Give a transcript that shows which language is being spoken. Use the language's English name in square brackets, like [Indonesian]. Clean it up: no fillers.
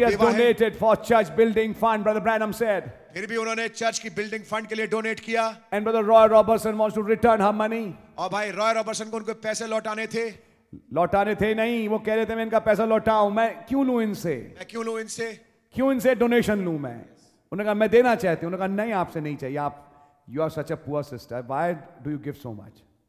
[English] has donated for church building fund, Brother Branham said. [Hindi] फिर भी उन्होंने चर्च की बिल्डिंग फंड के लिए डोनेट किया. And Brother Roy Robertson wants to return her money. और भाई रॉय रॉबर्सन को उनके पैसे लौटाने थे. लौटाने थे नहीं, वो कह रहे थे मैं इनका पैसा लौटाऊं, मैं क्यों लूं इनसे? क्यों इनसे डोनेशन लूं मैं? उन्होंने कहा मैं देना चाहती हूं. उन्होंने कहा नहीं, आपसे नहीं चाहिए. आप [English] You are such a poor sister, why do you give so much?